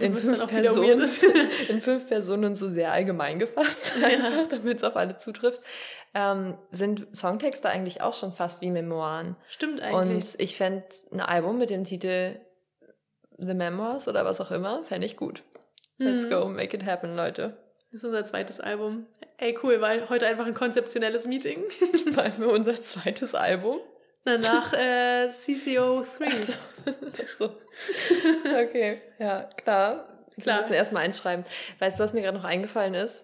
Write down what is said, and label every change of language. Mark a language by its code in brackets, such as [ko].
[de] in was fünf dann auch Personen, wieder weird ist. In fünf Personen so sehr allgemein gefasst, ja. einfach, damit es auf alle zutrifft, sind Songtexte eigentlich auch schon fast wie Memoiren. Stimmt eigentlich. Und ich fände ein Album mit dem Titel The Memoirs oder was auch immer, fände ich gut. [en] Let's go, make it happen, Leute. [de] Das ist unser zweites Album. Ey, cool, weil heute einfach ein konzeptionelles Meeting. Vor allem unser zweites Album. Danach CCO3. Ach so. Okay, ja, klar. Wir müssen erstmal einschreiben. Weißt du, was mir gerade noch eingefallen ist?